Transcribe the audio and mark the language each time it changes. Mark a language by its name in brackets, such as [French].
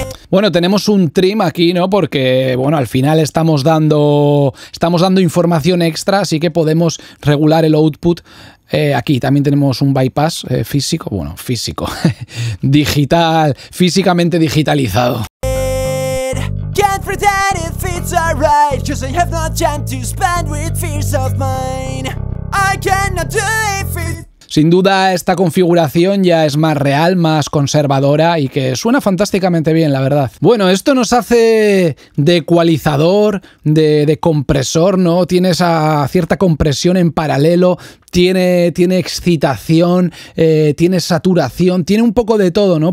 [Spanish] Bueno, tenemos un trim aquí, ¿no? Porque, bueno, al final estamos dando información extra, así que podemos regular el output. Aquí también tenemos un bypass físico, bueno, físico, digital, físicamente digitalizado. [English] Can't pretend if it's alright, 'cause I have no time to spend with fears of mine. I cannot do if it. [Spanish] Sin duda, esta configuración ya es más real, más conservadora y que suena fantásticamente bien, la verdad. Bueno, esto nos hace de ecualizador, de compresor, ¿no? Tiene esa cierta compresión en paralelo, tiene excitación, tiene saturación, tiene un poco de todo, ¿no?